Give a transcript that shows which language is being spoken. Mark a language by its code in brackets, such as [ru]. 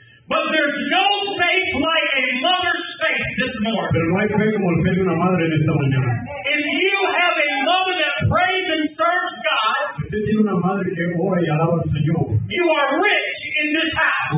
[en] But there's no faith like a mother's faith this morning. [es] Pero no hay fe como el fe de una madre en esta mañana. [en] If you have a mother that prays and serves God, [es] si usted tiene una madre que ora y alaba al Señor, [en] you are rich in this house.